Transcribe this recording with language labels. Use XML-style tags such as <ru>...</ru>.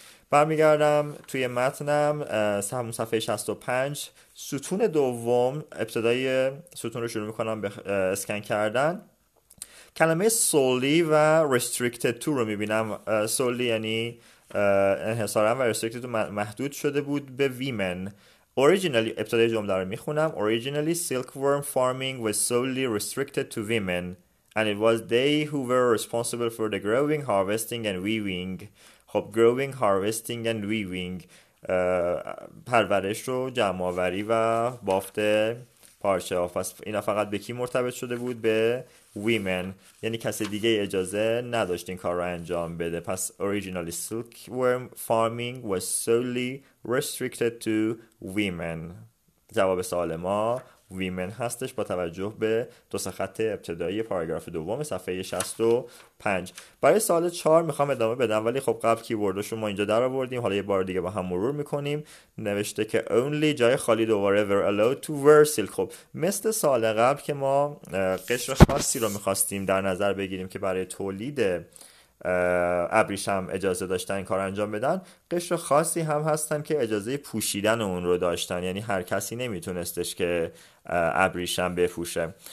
<fa>برمیگردم توی متنم همون صفحه 65 ستون دوم، ابتدای ستون رو شروع میکنم به اسکن کردن. کلمه solely و restricted to رو میبینم. solely یعنی انحصارا و restricted to محدود شده بود به women.</fa> <en>originally</en> <fa>ابتدای جمله رو میخونم،</fa> <en>originally silkworm farming was solely restricted to women and it was they who were responsible for the growing, harvesting and weaving.</en> <fa>خب</fa> <en>growing, harvesting and weaving،</en> <fa>پرورش رو، جمع‌آوری و بافت پارچه. پس اینا فقط به کی مرتبط شده بود؟ به women، یعنی کسی دیگه اجازه نداشت این کار رو انجام بده.</fa> <en>پس originally silkworm farming was solely restricted to women.</en> <fa>جواب سوال ما women هستش با توجه به دو سه خط ابتدایی پاراگراف دوم صفحه 65. برای سوال 4 میخوام ادامه بدم، ولی خب قبل کیوردش رو ما اینجا در آوردیم، حالا یه بار دیگه با هم مرور میکنیم. نوشته که</fa> <en>only،</en> <fa>جای خالی دوباره،</fa> <en>were allowed to wear silk.</en> <fa>خب مثل سال قبل که ما قشر خاصی رو میخواستیم در نظر بگیریم که برای تولید ابریشم اجازه داشتن این کار انجام بدن، قشر خاصی هم هستن که اجازه پوشیدن اون رو داشتن، یعنی هر کسی نمیتونستش که ابریشم بپوشه.</fa>